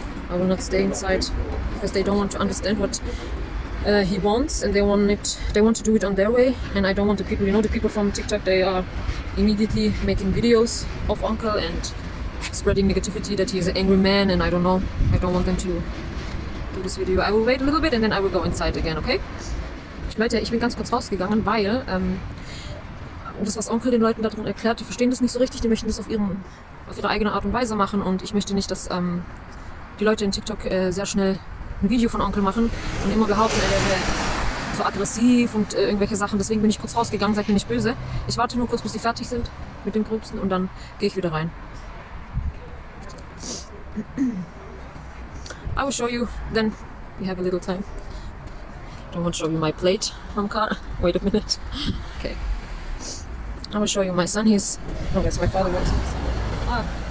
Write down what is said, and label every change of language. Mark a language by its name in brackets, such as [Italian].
[English] I will not stay inside because they don't want to understand what he wants, and they want it. They want to do it on their way, and I don't want the people. You know, the people from TikTok. They are immediately making videos of uncle and spreading negativity that he is an angry man, and I don't know. I don't want them to do this video. I will wait a little bit and then I will go inside again. Okay? [German] Leute, ich bin ganz kurz rausgegangen, weil das, was Onkel den Leuten darin erklärt, die verstehen das nicht so richtig, die möchten das auf ihre eigene Art und Weise machen, und ich möchte nicht, dass die Leute in TikTok sehr schnell ein Video von Onkel machen und immer behaupten, er wäre so aggressiv und irgendwelche Sachen. Deswegen bin ich kurz rausgegangen, seid mir nicht böse. Ich warte nur kurz, bis sie fertig sind mit dem Gröbsten, und dann gehe ich wieder rein. [English] I will show you, then we have a little time. I don't want to show you my plate from car. Wait a minute. Okay. I will show you my son. He's. No, that's my father. Ah.